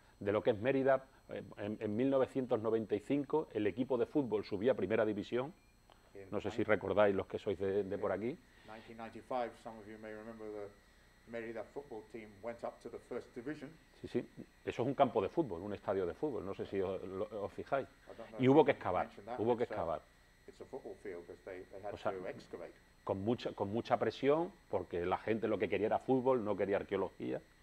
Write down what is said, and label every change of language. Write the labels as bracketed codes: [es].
[es] De lo que es Mérida, en 1995 el equipo de fútbol subía a primera división. No sé si recordáis los que sois de por aquí. [en] 1995, some of you may remember the Mérida football team went up to the first division. [es] Sí, sí, eso es un campo de fútbol, un estadio de fútbol, no sé si os fijáis. Y hubo que excavar, [en] It's a football field because they had to excavate. [es] Con mucha presión, porque la gente lo que quería era fútbol, no quería arqueología.